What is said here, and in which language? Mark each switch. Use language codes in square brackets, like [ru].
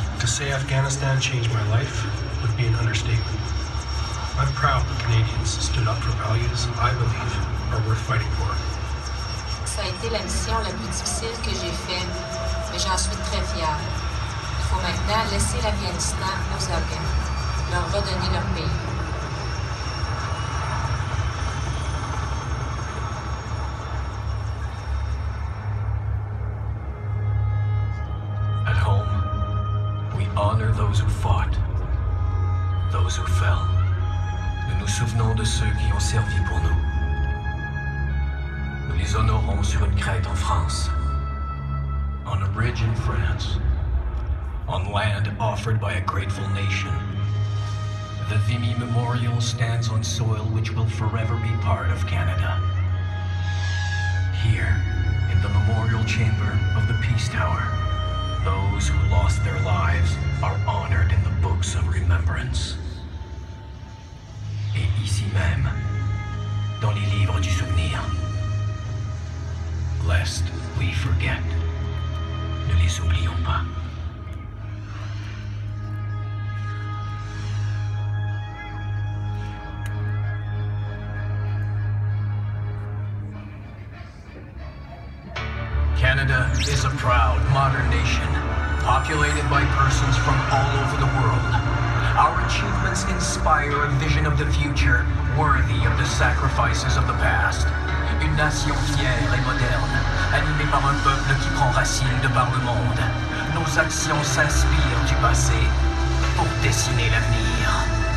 [en] To say Afghanistan changed my life would be an understatement. I'm proud that Canadians stood up for values I believe are worth fighting for. [fr] Ça a été la mission la plus difficile que j'ai faite, mais j'en suis très fier. Faut maintenant laisser l'Afghanistan aux Afghans, leur redonner leur pays. [en] At home, we honor those who fought, those who fell. [fr] Nous nous souvenons de ceux qui ont servi pour nous. Nous les honorons sur une crête en France. [en] On a bridge in France. On land offered by a grateful nation. The Vimy Memorial stands on soil which will forever be part of Canada. Here, in the memorial chamber of the Peace Tower, those who lost their lives are honored in the books of remembrance. [fr] Et ici même, dans les livres du souvenir. [en] Lest we forget, [fr] ne les oublions pas. [en] Canada is a proud, modern nation, populated by persons from all over the world. Our achievements inspire a vision of the future worthy of the sacrifices of the past. [fr] Une nation fière et moderne, animée par un peuple qui prend racine de par le monde. Nos actions s'inspirent du passé pour dessiner l'avenir.